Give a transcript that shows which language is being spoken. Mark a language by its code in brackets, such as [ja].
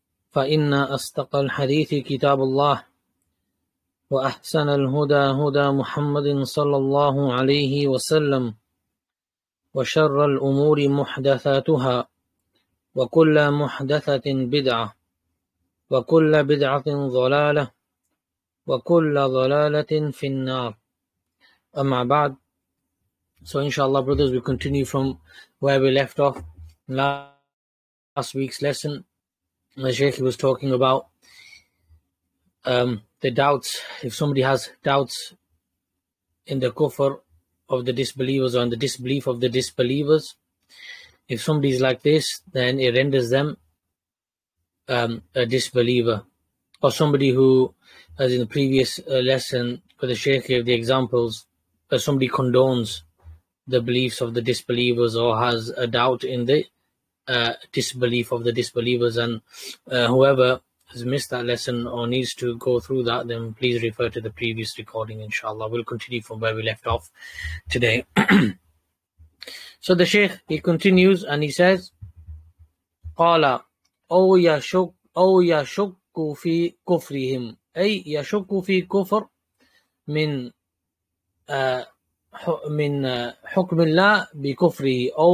[ar] فإن أصدق الحديث كتاب الله وأحسن الهدى هدى محمد صلى الله عليه وسلم وشر الأمور محدثاتها وكل محدثة بدعة وكل بدعة ضلالة وكل ضلالة في النار أما بعد. [en] So inshallah, brothers, we continue from where we left off last week's lesson. The Shaykh was talking about the doubts. If somebody has doubts in the kufr of the disbelievers or in the disbelief of the disbelievers, if somebody is like this, then it renders them a disbeliever. Or somebody who, as in the previous lesson, where the Shaykh gave the examples, where somebody condones the beliefs of the disbelievers or has a doubt in the disbelief of the disbelievers, and whoever has missed that lesson or needs to go through that, then please refer to the previous recording, inshallah. We'll continue from where we left off today. So the Shaykh, he continues and he says, [ar] Qala, أو يشك في كفرهم أي يشك في كفر من من حكم الله بكفره